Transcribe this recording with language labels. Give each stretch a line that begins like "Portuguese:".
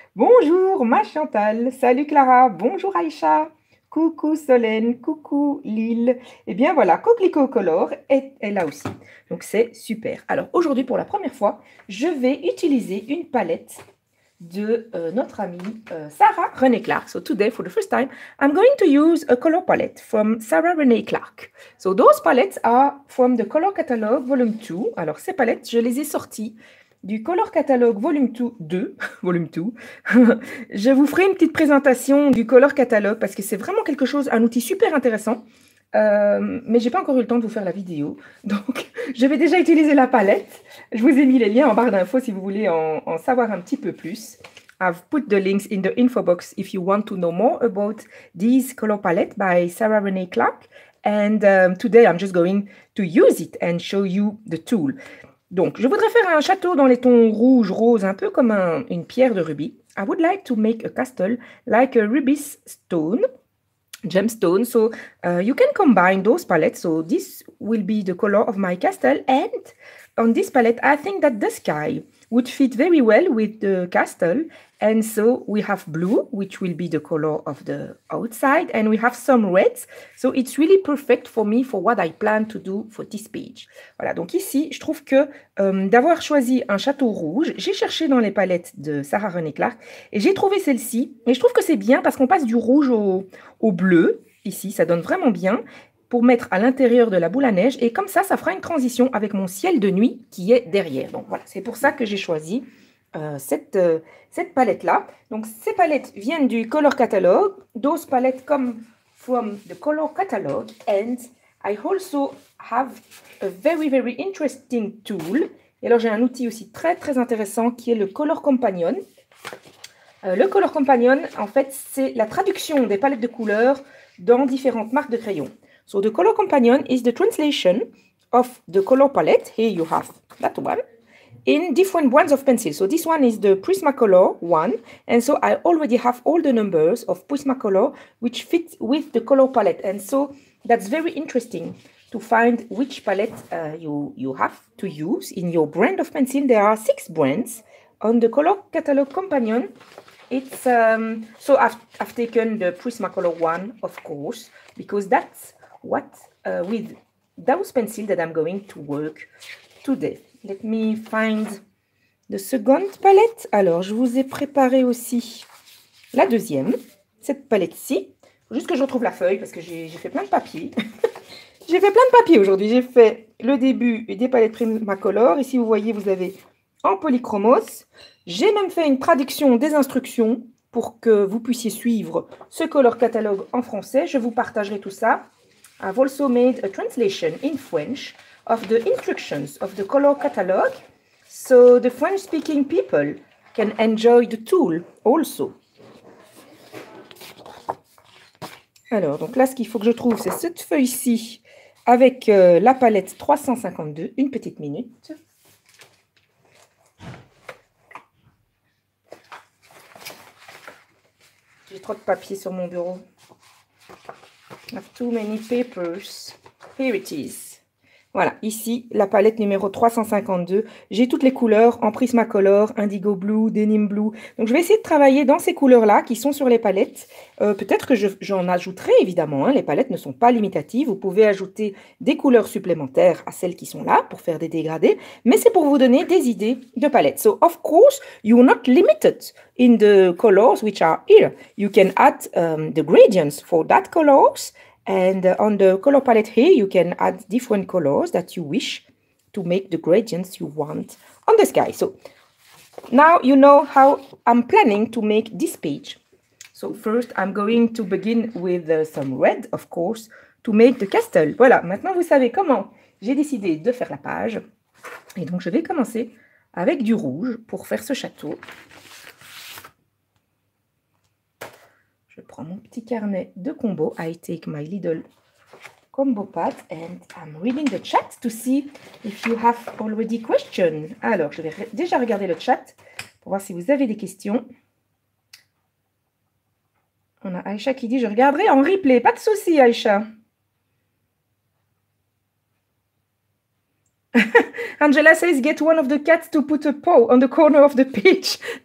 French: Bonjour ma Chantal, salut Clara, bonjour Aïcha. Coucou Solène, coucou Lille. Et bien voilà, Coquelico Color est là aussi. Donc c'est super. Alors aujourd'hui pour la première fois, je vais utiliser une palette de notre amie Sarah Renee Clark.
English: So today, for the first time, I'm going to use a color palette from Sarah Renee Clark. So those palettes are from the Color Catalog Volume 2.
French: Alors ces palettes, je les ai sorties du Color Catalog Volume 2. Je vous ferai une petite présentation du Color Catalog parce que c'est vraiment quelque chose, un outil super intéressant. Mais je n'ai pas encore eu le temps de vous faire la vidéo. Donc, je vais déjà utiliser la palette. Je vous ai mis les liens en barre d'infos si vous voulez en savoir un petit peu plus.
English: I've put the links in the info box if you want to know more about this color palette by Sarah Renee Clark. And today, I'm just going to use it and show you the tool.
French: Donc, je voudrais faire un château dans les tons rouge, rose, un peu comme une pierre de rubis.
English: I would like to make a castle like a rubis stone. Gemstone. So you can combine those palettes. So this will be the color of my castle. And on this palette, I think that the sky would fit very well with the castle. And so we have blue, which will be the color of the outside. And we have some reds. So it's really perfect for me for what I plan to do for this page.
French: Voilà, donc ici, je trouve que d'avoir choisi un château rouge, j'ai cherché dans les palettes de Sarah Renee Clark et j'ai trouvé celle-ci. Et je trouve que c'est bien parce qu'on passe du rouge au bleu. Ici, ça donne vraiment bien pour mettre à l'intérieur de la boule à neige. Et comme ça, ça fera une transition avec mon ciel de nuit qui est derrière. Donc voilà, c'est pour ça que j'ai choisi cette palette-là. Donc, ces palettes viennent du Color Catalog.
English: Those palettes come from the Color Catalog. And I also have a very, very interesting tool.
French: Et alors, j'ai un outil aussi très, très intéressant qui est le Color Companion. Le Color Companion, en fait, c'est la traduction des palettes de couleurs dans différentes marques de crayons.
English: So, the Color Companion is the translation of the color palette. Here you have that one. In different brands of pencils. So this one is the Prismacolor one. And so I already have all the numbers of Prismacolor which fit with the color palette. And so that's very interesting to find which palette you have to use in your brand of pencil. There are six brands on the Color Catalog Companion. It's so I've taken the Prismacolor one, of course, because that's what with those pencils that I'm going to work today. Let me find the second palette.
French: Alors, je vous ai préparé aussi la deuxième, cette palette-ci. Juste que je retrouve la feuille parce que j'ai fait plein de papier. J'ai fait plein de papier aujourd'hui. J'ai fait le début des palettes Prismacolor. Ici, vous voyez, vous avez en Polychromos. J'ai même fait une traduction des instructions pour que vous puissiez suivre ce color catalogue en français. Je vous partagerai tout ça.
English: I've also made a translation in French of the instructions of the color catalogue so the French-speaking people can enjoy the tool also.
French: Alors, donc là, ce qu'il faut que je trouve, c'est cette feuille-ci avec la palette 352, une petite minute. J'ai trop de papier sur mon bureau.
English: I have too many papers. Here it is.
French: Voilà, ici, la palette numéro 352. J'ai toutes les couleurs en Prismacolor, Indigo Blue, Denim Blue. Donc, je vais essayer de travailler dans ces couleurs-là qui sont sur les palettes. Peut-être que j'en ajouterai, évidemment. Les palettes ne sont pas limitatives. Vous pouvez ajouter des couleurs supplémentaires à celles qui sont là pour faire des dégradés. Mais c'est pour vous donner des idées de palettes.
English: So, of course, you're not limited in the colors which are here. You can add the gradients for that colors. And on the color palette here, you can add different colors that you wish to make the gradients you want on the sky. So now you know how I'm planning to make this page. So first, I'm going to begin with some red, of course, to make the castle.
French: Voilà, maintenant vous savez comment j'ai décidé de faire la page. Et donc je vais commencer avec du rouge pour faire ce château. Je prends mon petit carnet de combo.
English: I take my little combo pad and I'm reading the chat to see if you have already questions.
French: Alors, je vais déjà regarder le chat pour voir si vous avez des questions. On a Aïcha qui dit « Je regarderai en replay ». Pas de souci, Aïcha.
English: Angela says « Get one of the cats to put a paw on the corner of the page ».